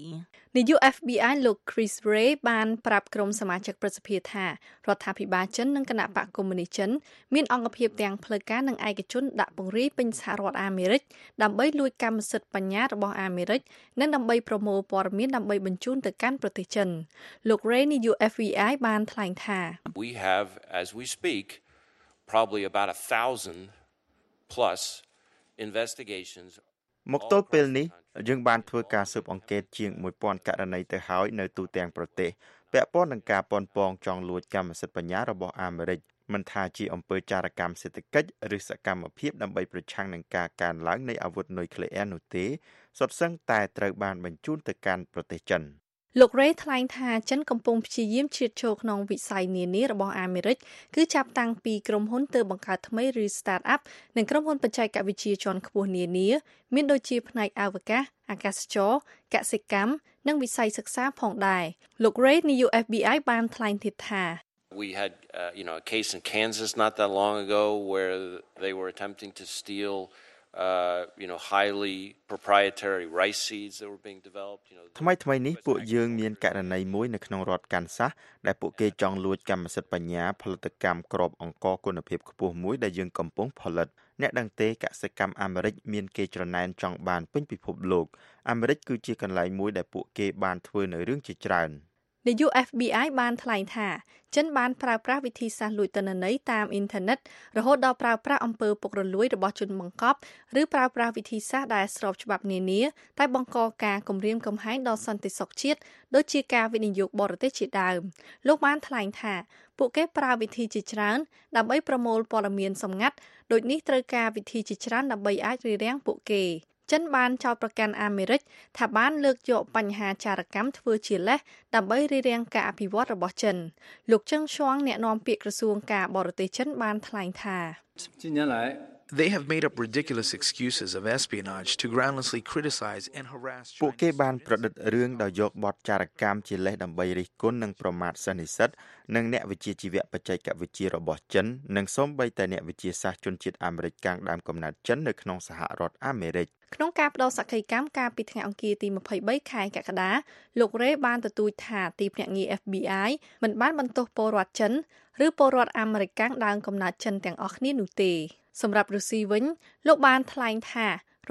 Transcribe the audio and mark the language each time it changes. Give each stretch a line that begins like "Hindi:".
Khmer: នាយក FBI លោក Chris Ray បានប្រាប់ក្រុមសមាជិកប្រសិទ្ធិថារដ្ឋាភិបាលចិននិងគណៈបកកុម្មុយនីសចិនមានអង្គភាពទាំងផ្លូវការនិងឯកជនដាក់ពង្រាយពេញសហរដ្ឋអាមេរិកដើម្បីលួចកម្មសិទ្ធិបញ្ញារបស់អាមេរិកនិងដើម្បីប្រមូលព័ត៌មានដើម្បីបញ្ជូនទៅកាន់ប្រទេសចិនលោក Ray នាយក FBI បានថ្លែងថា
English: We have as we speak probably about 1000 plus investigations
Khmer: មកទល់ពេលនេះយើងបានធ្វើការស៊ើបអង្កេតជាង 1,000 ករណីទៅហើយនៅទូទាំងប្រទេសពាក់ព័ន្ធនឹងការប៉ុនប៉ងចងលួចកម្មសិទ្ធិបញ្ញារបស់អាមេរិកមិនថាជាអំពើចារកម្មសេដ្ឋកិច្ចឬសកម្មភាពដើម្បីប្រឆាំងនឹងការកើនឡើងនៃអាវុធនុយក្លេអ៊ែរនោះទេសុទ្ធសឹងតែត្រូវបានបញ្ជូនទៅកាន់ប្រទេសចិន លោក Ray ថ្លែងថាចិនកំពុងព្យាយាមជ្រៀតចូលក្នុងវិស័យនានារបស់អាមេរិកគឺចាប់តាំងពីក្រុមហ៊ុនទើបបង្កើតថ្មីឬ Startup និងក្រុមហ៊ុនបច្ចេកវិទ្យាជាន់ខ្ពស់នានាមានដូចជាផ្នែកអវកាសអាកាសចរកសិកម្មនិងវិស័យសិក្សាផងដែរលោក Ray នៃ UFBI បានថ្លែងទៀតថា
English: We had you know a case in Kansas not that long ago where they were attempting to stealyou know highly proprietary rice seeds that were being developed you know
Khmer: ថ្មីនេះពួកយើងមានករណីមួយនៅក្នុងរដ្ឋកាន់សាសដែលពួកគេចង់លួចកម្មសិទ្ធិបញ្ញាផលិតកម្មក្របអង្គរគុណភាពខ្ពស់មួយដែលយើងកំពុងផលិតអ្នកដឹងទេកសិកម្មអាមេរិកមានគេច្រណែនចង់បានពេញពិភពលោកអាមេរិកគឺជាកន្លែងមួយដែលពួកគេបានធ្វើនៅរឿងជាច្រើននាយក FBI បានថ្លែងថាចិនបានប្រើប្រាស់វិធីសាស្ត្រលួចទិន្នន័យតាមអ៊ីនធឺណិតរហូតដល់ប្រើប្រាស់អំពើពុករលួយរបស់ជនបង្កប់ឬប្រើប្រាស់វិធីសាស្ត្រដែលស្របច្បាប់នានាតែបង្កការគំរាមកំហែងដល់សន្តិសុខជាតិដូចជាការវិនិយោគបរទេសជាដើមលោកបានថ្លែងថាពួកគេប្រើវិធីជាច្រើនដើម្បីប្រមូលព័ត៌មានសម្ងាត់ដូចនេះត្រូវការវិធីជាច្រើនដើម្បីអាចរារាំងពួកគេ ចិនបានចោទប្រកាន់អាមេរិកថាបានលើកយកបញ្ហាចារកម្មធ្វើជាលេសដើម្បីរារាំងការអភិវឌ្ឍរបស់ចិនលោកចឹងឈួងអ្នកនាំពាក្យក្រសួងការបរទេសចិនបានថ្លែងថា
English: They have made up ridiculous excuses of espionage to groundlessly criticize and harass
Khmer: ពួកគេបានប្រឌិតរឿងដោយយកបទចារកម្មជាលេសដើម្បីរិះគន់និងប្រមាថសន្និសិទ្ធនិងអ្នកវិទ្យាជីវៈបច្ចេកវិទ្យារបស់ចិននិងសូម្បីតែអ្នកវិទ្យាសាស្ត្រជនជាតិអាមេរិកកាំងដើមកំណត់ចិននៅក្នុងសហរដ្ឋអាមេរិក ក្នុងការផ្ដល់សក្ខីកម្មកាលពីថ្ងៃអង្គារទី23ខែកក្កដាលោក Ray បានទទូចថាទីភ្នាក់ងារ FBI មិនបានបន្ទោសពលរដ្ឋចិនឬពលរដ្ឋអាមេរិកកាំងដើមកំណត់ចិនទាំងអស់គ្នានោះទេសម្រាប់រុស្ស៊ីវិញលោកបានថ្លែងថារ